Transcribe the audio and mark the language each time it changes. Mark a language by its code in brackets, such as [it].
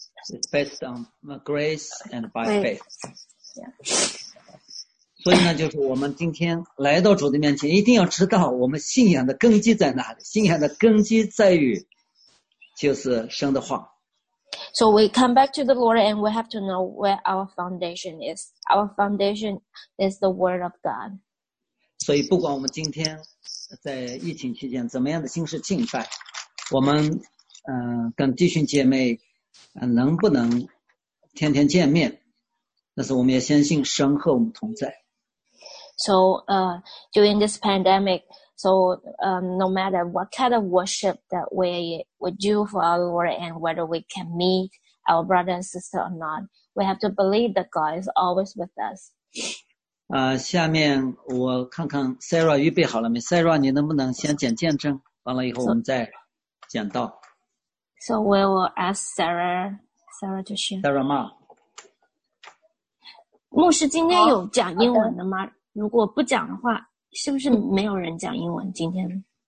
[en] It's based on grace and by faith. Yeah. [zh] 所以呢，就是我们今天来到主的面前，一定要知道我们信仰的根基在哪里。信仰的根基在于，就是神的话。 [en] So we come back to the Lord, and we have to know where our foundation is. Our foundation is the Word of God. [zh] 所以，不管我们今天在疫情期间怎么样的形式敬拜，我们跟弟兄姐妹能不能天天见面，但是我们也相信神和我们同在。 [en] So, during this pandemic, no matter what kind of worship that we do for our Lord, and whether we can meet our brother and sister or not, we have to believe that God is always with us. [zh] 下面我看看 Sarah 预备好了没 ？Sarah， 你能不能先讲见证？完了以后我们再讲道。 [en] So we will ask Sarah to share. [zh] Sarah 吗？牧师今天有讲英文的吗？如果不讲的话，是不是没有人讲英文今天？